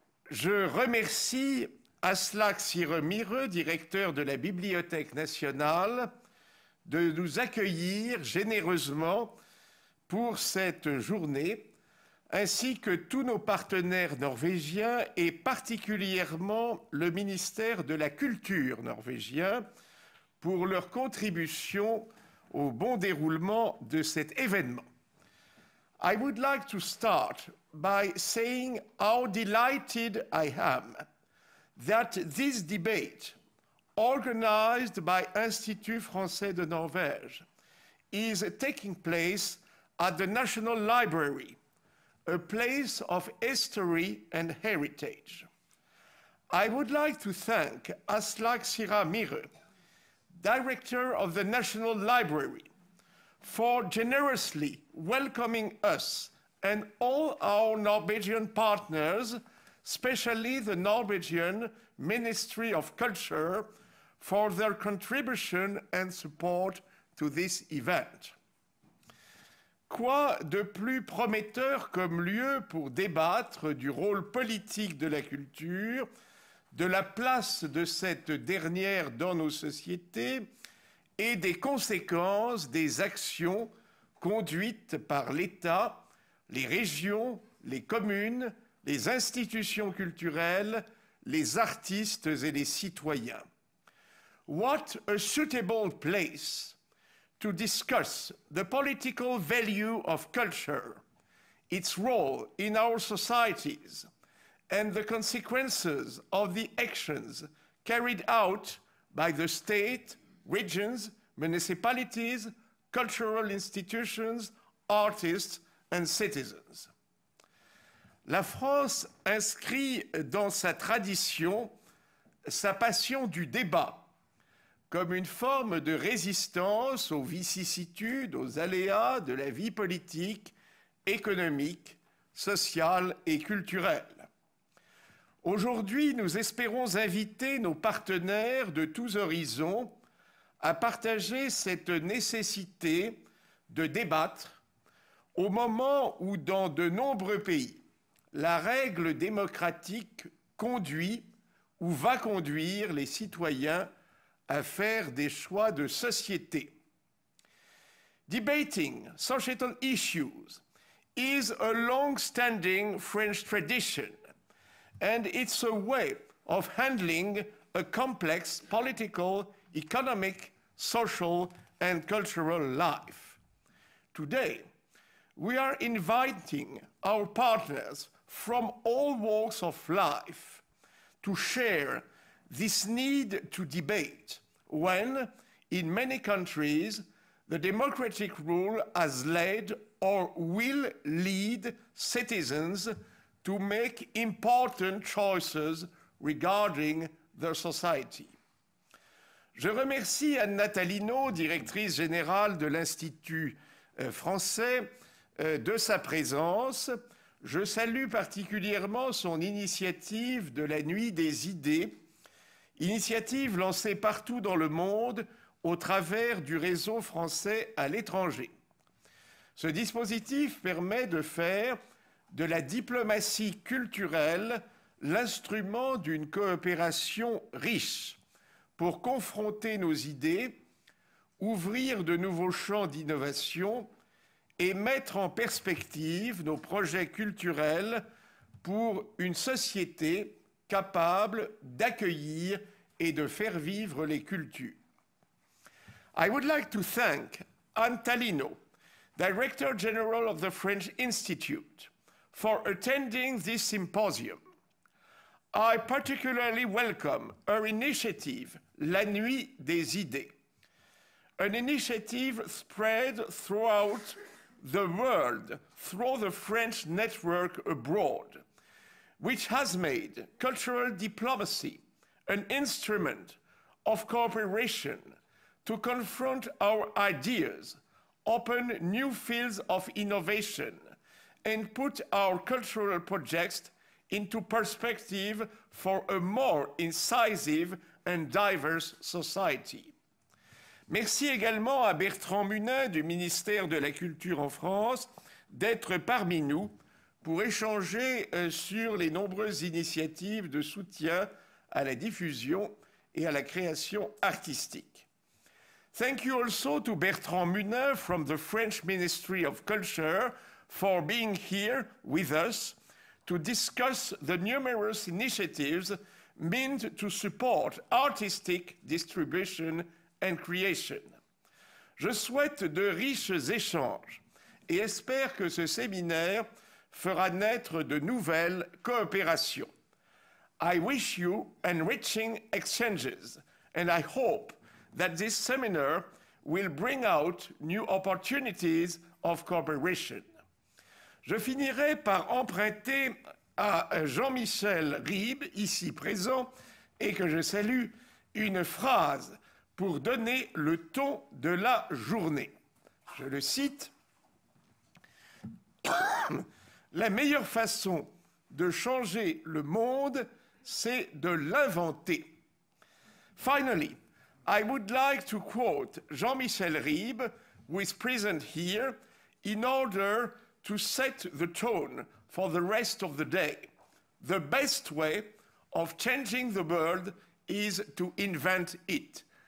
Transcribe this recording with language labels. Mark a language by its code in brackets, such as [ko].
[fr] Je remercie Aslak Sirre-Mireux, directeur de la Bibliothèque nationale, de nous accueillir généreusement pour cette journée, ainsi que tous nos partenaires norvégiens et particulièrement le ministère de la Culture norvégien pour leur contribution au bon déroulement de cet événement. [en] I would like to start by saying how delighted I am that this debate, organized by Institut Français de Norvège, is taking place at the National Library, a place of history and heritage. I would like to thank Aslak Sirre-Mireux, director of the National Library, for generously welcoming us and all our Norwegian partners, especially the Norwegian Ministry of Culture, for their contribution and support to this event. [fr] Quoi de plus prometteur comme lieu pour débattre du rôle politique de la culture, de la place de cette dernière dans nos sociétés et des conséquences des actions conduites par l'État, les régions, les communes, les institutions culturelles, les artistes et les citoyens. [en] What a suitable place to discuss the political value of culture, its role in our societies, and the consequences of the actions carried out by the state, regions, municipalities, cultural institutions, artists, and citizens. [fr] La France inscrit dans sa tradition sa passion du débat comme une forme de résistance aux vicissitudes, aux aléas de la vie politique, économique, sociale et culturelle. Aujourd'hui, nous espérons inviter nos partenaires de tous horizons à partager cette nécessité de débattre au moment où, dans de nombreux pays, la règle démocratique conduit ou va conduire les citoyens à faire des choix de société. [en] Debating societal issues is a long-standing French tradition, and it's a way of handling a complex political, economic, social, and cultural life. Today, we are inviting our partners from all walks of life to share this need to debate when, in many countries, the democratic rule has led or will lead citizens to make important choices regarding their society. [fr] Je remercie Anne Natalino, directrice générale de l'Institut français, de sa présence. Je salue particulièrement son initiative de la Nuit des idées, initiative lancée partout dans le monde au travers du réseau français à l'étranger. Ce dispositif permet de faire de la diplomatie culturelle l'instrument d'une coopération riche pour confronter nos idées, ouvrir de nouveaux champs d'innovation et mettre en perspective nos projets culturels pour une société capable d'accueillir et de faire vivre les cultures. [en] I would like to thank Anne Natalino, Director General of the French Institute, for attending this symposium. I particularly welcome her initiative, [fr] La Nuit des Idées, [en] an initiative spread throughout the world through the French network abroad, which has made cultural diplomacy an instrument of cooperation to confront our ideas, open new fields of innovation, and put our cultural projects into perspective for a more incisive and diverse society. [fr] Merci également à Bertrand Munin du ministère de la Culture en France d'être parmi nous pour échanger sur les nombreuses initiatives de soutien à la diffusion et à la création artistique. [en] Thank you also to Bertrand Munin from the French Ministry of Culture for being here with us to discuss the numerous initiatives meant to support artistic distribution and creation. [fr] Je souhaite de riches échanges et espère que ce séminaire fera naître de nouvelles coopérations. [en] I wish you enriching exchanges and I hope that this seminar will bring out new opportunities of cooperation. [fr] Je finirai par emprunter à Jean-Michel Ribes, ici présent, et que je salue, une phrase pour donner le ton de la journée. Je le cite. La meilleure façon de changer le monde, c'est de l'inventer. [en] Finally, I would like to quote Jean-Michel Ribes, who is present here, in order to set the tone for the rest of the day. The best way of changing the world is to invent it.